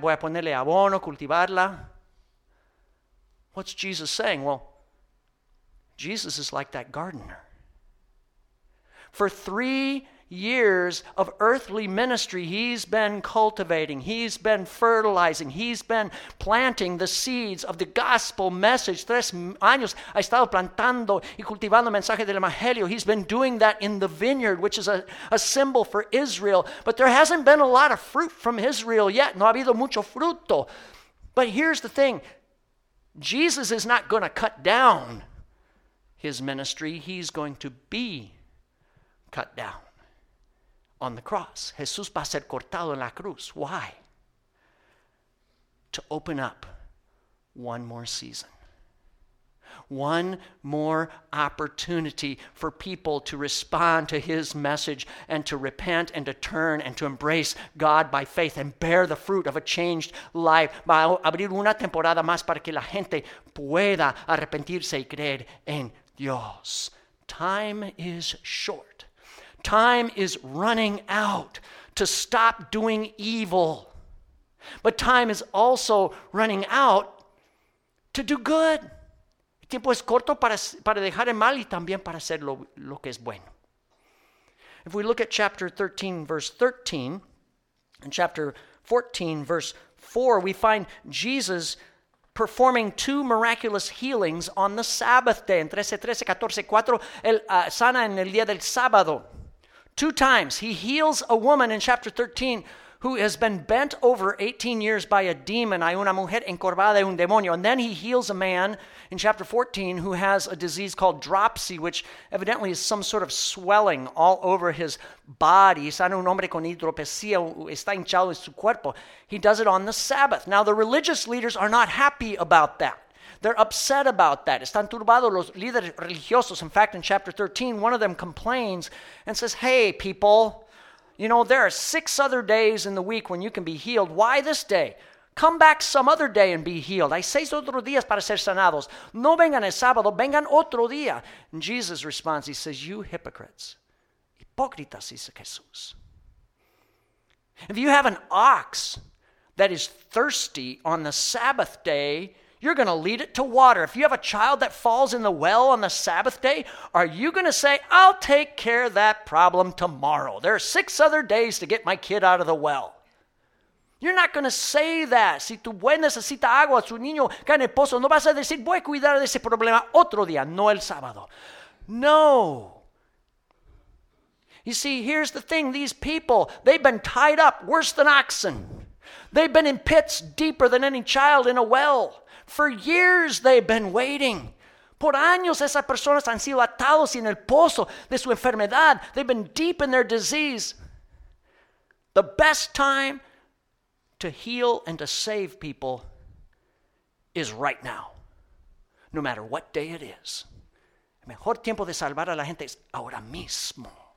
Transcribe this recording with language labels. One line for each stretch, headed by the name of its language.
Spanish: Voy a ponerle abono, cultivarla.
English: What's Jesus saying? Well, Jesus is like that gardener. For 3 years of earthly ministry, he's been cultivating. He's been fertilizing. He's been planting the seeds of the gospel message.
Spanish: 3 años ha estado plantando y cultivando el mensaje del evangelio.
English: He's been doing that in the vineyard, which is a symbol for Israel. But there hasn't been a lot of fruit from Israel yet.
Spanish: No ha habido mucho fruto.
English: But here's the thing. Jesus is not going to cut down his ministry. He's going to be cut down. On the cross,
Spanish: Jesús va a ser cortado en la cruz.
English: Why? To open up one more season. One more opportunity for people to respond to his message and to repent and to turn and to embrace God by faith and bear the fruit of a changed life.
Spanish: Va a abrir una temporada más para que la gente pueda arrepentirse y creer en Dios.
English: Time is short. Time is running out to stop doing evil. But time is also running out to do good.
Spanish: El tiempo es corto para dejar el mal y también para hacer lo que es bueno.
English: If we look at chapter 13, verse 13, In chapter 14, verse 4, we find Jesus performing two miraculous healings on the Sabbath day.
Spanish: In 13:14-4, sana en el día del sábado.
English: Two times, he heals a woman in chapter 13 who has been bent over 18 years by a demon.
Spanish: Hay una mujer encorvada y un demonio.
English: And then he heals a man in chapter 14 who has a disease called dropsy, which evidently is some sort of swelling all over his body.
Spanish: Sana un hombre con hidropesía, está hinchado en su cuerpo.
English: He does it on the Sabbath. Now, the religious leaders are not happy about that. They're upset about that.
Spanish: Están turbados los líderes religiosos.
English: In fact, in chapter 13, one of them complains and says, hey, people, you know, there are six other days in the week when you can be healed. Why this day? Come back some other day and be healed.
Spanish: Hay seis otros días para ser sanados. No vengan el sábado, vengan otro día.
English: And Jesus responds, he says, you hypocrites.
Spanish: Hipócritas, dice Jesús.
English: If you have an ox that is thirsty on the Sabbath day, you're going to lead it to water. If you have a child that falls in the well on the Sabbath day, are you going to say, I'll take care of that problem tomorrow? There are six other days to get my kid out of the well. You're not going to say that.
Spanish: Si tu buen necesita agua, su niño cae en el pozo, no vas a decir, voy a cuidar de ese problema otro día, no el sábado.
English: No. You see, here's the thing. These people, they've been tied up worse than oxen. They've been in pits deeper than any child in a well. For years they've been waiting.
Spanish: Por años esas personas han sido atados en el pozo de su enfermedad.
English: They've been deep in their disease. The best time to heal and to save people is right now, no matter what day it is.
Spanish: El mejor tiempo de salvar a la gente es ahora mismo.